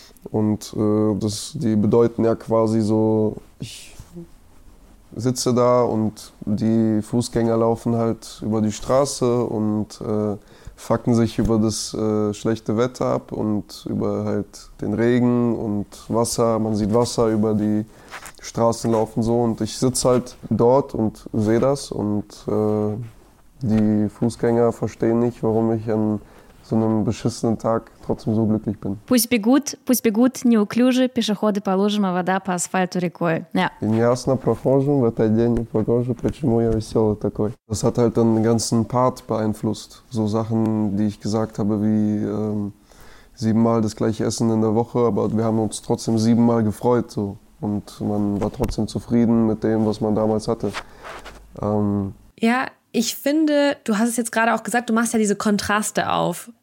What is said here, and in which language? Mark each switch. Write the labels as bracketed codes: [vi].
[de] Und die bedeuten ja quasi so, ich sitze da und die Fußgänger laufen halt über die Straße und fucken sich über das schlechte Wetter ab und über halt den Regen und Wasser. Man sieht Wasser über die Straßen laufen so und ich sitze halt dort und sehe das und die Fußgänger verstehen nicht, warum ich an so einem beschissenen Tag trotzdem so glücklich bin. [ru] Пусть бегут неуклюже пешеходы по лужам, а вода по асфальту рекой. [de] Ja. [ru] И неясно прохожим в этот день непогожу, почему я веселый такой. [de] Das hat halt den ganzen Part beeinflusst. So Sachen, die ich gesagt habe, wie 7-mal das gleiche Essen in der Woche, aber wir haben uns trotzdem 7-mal gefreut so. Und man war trotzdem zufrieden mit dem, was man damals hatte. Ja, ich finde, du hast es jetzt gerade auch gesagt, du machst ja diese Kontraste auf.